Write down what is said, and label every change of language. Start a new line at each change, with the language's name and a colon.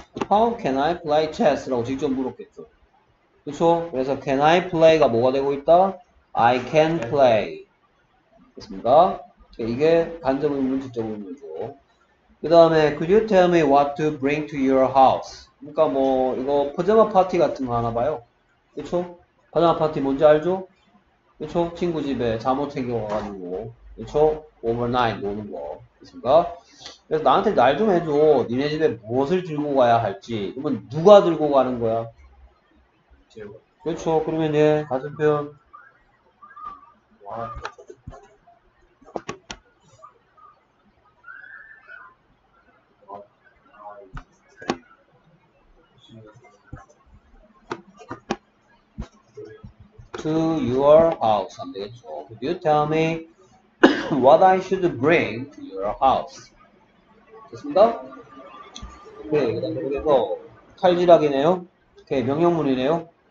English: 'How can I play chess?'
Korean: 라고 직접 물었겠죠. 그쵸?
English: 그래서 'Can I play?
Korean: '가 뭐가 되고 있다?
English: 'I can play'
Korean: 됐습니다. 이게 간접 의문, 직접 의문이죠. 그 다음에
English: could you tell me what to bring to your house?
Korean: 그러니까 뭐 이거 파자마 파티 같은 거 하나 봐요. 그쵸? 파자마 파티 뭔지 알죠? 그쵸? 친구 집에 잠옷 챙겨가가지고, 그쵸? Overnight 노는 거. 그니까? 그래서 나한테 날좀 해줘. 니네 집에 무엇을 들고 가야 할지. 그러면 누가 들고 가는 거야? 그쵸? 그러면 얘, 가슴뼈. 와.
English: To your house
Korean: 안 되겠죠?
English: Could you tell me what I should bring to your house?
Korean: 됐습니다. 오케이, 그래서 칼질하기네요. 오케이, 명령문이네요.